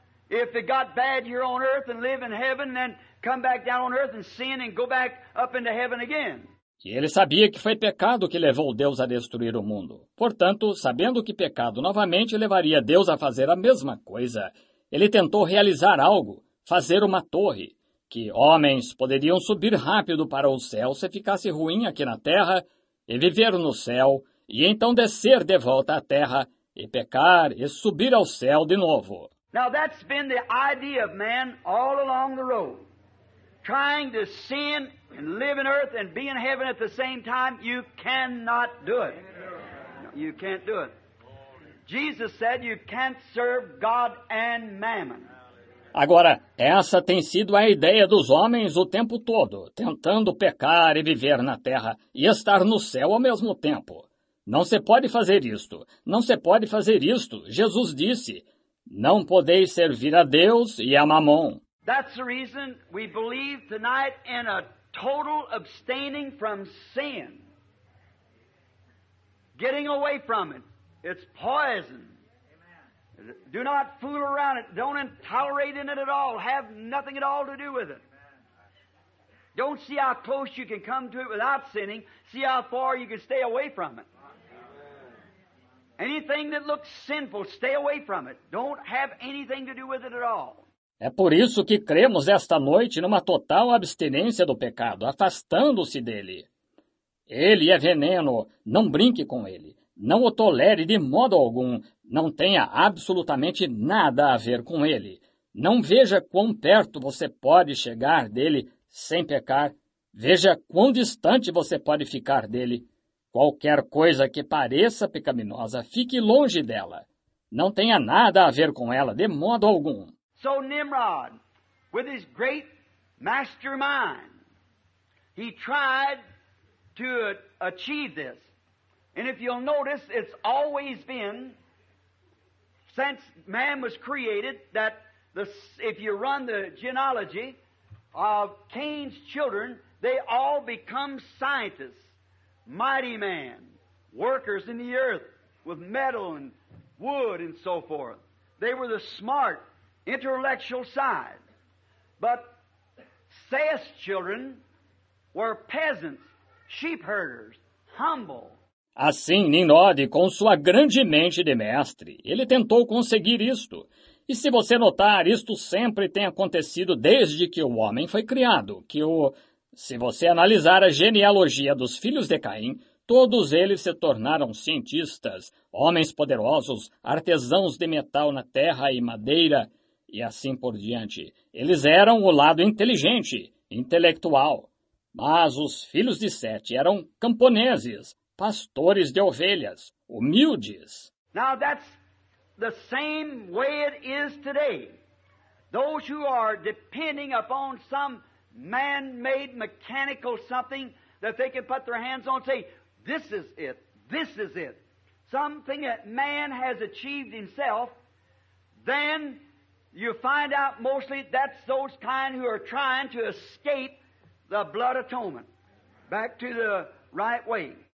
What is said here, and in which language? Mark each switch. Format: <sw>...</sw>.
<en>If it got bad here on earth and live in heaven, then come back down on earth and sin and go back up into heaven again.</en> <pt>E ele sabia que foi pecado que levou Deus a destruir o mundo. Portanto, sabendo que pecado novamente levaria Deus a fazer a mesma coisa, ele tentou realizar algo, fazer uma torre, que homens poderiam subir rápido para o céu se ficasse ruim aqui na terra, e viver no céu, e então descer de volta à terra, e pecar, e subir ao céu de novo.</pt> <en>Now that's been the idea of man all along the road. Trying to sin and live in earth and be in heaven at the same time, you cannot do it. You can't do it. Jesus said you can't serve God and mammon.</en> <pt>Agora, essa tem sido a ideia dos homens o tempo todo, tentando pecar e viver na terra e estar no céu ao mesmo tempo. Não se pode fazer isto. Não se pode fazer isto. Jesus disse, não podeis servir a Deus e a mamon.</pt> <en>That's the reason we believe tonight in a total abstaining from sin. Getting away from it. It's poison. Do not fool around it. Don't tolerate in it at all. Have nothing at all to do with it. Don't see how close you can come to it without sinning. See how far you can stay away from it. Anything that looks sinful, stay away from it. Don't have anything to do with it at all.</en> <pt>É por isso que cremos esta noite numa total abstinência do pecado, afastando-se dele. Ele é veneno, não brinque com ele. Não o tolere de modo algum, não tenha absolutamente nada a ver com ele. Não veja quão perto você pode chegar dele sem pecar. Veja quão distante você pode ficar dele. Qualquer coisa que pareça pecaminosa, fique longe dela. Não tenha nada a ver com ela de modo algum.</pt> <en>So Nimrod, with his great mastermind, he tried to achieve this. And if you'll notice, it's always been, since man was created, that if you run the genealogy of Cain's children, they all become scientists, mighty man, workers in the earth with metal and wood and so forth. They were the smart intellectual side. But Seth's children were peasants, sheep herders, humble.</en> <pt>Assim, Nimrod, com sua grande mente de mestre, ele tentou conseguir isto. E se você notar, isto sempre tem acontecido desde que o homem foi criado, que o... Se você analisar a genealogia dos filhos de Caim, todos eles se tornaram cientistas, homens poderosos, artesãos de metal na terra e madeira, e assim por diante. Eles eram o lado inteligente, intelectual. Mas os filhos de Sete eram camponeses, pastores de ovelhas, humildes.</pt> <en>Now that's the same way it is today. Those who are depending upon some man-made mechanical something that they can put their hands on and say, this is it, this is it. Something that man has achieved himself, then you find out mostly that's those kind who are trying to escape the blood atonement, back to the right way.</en>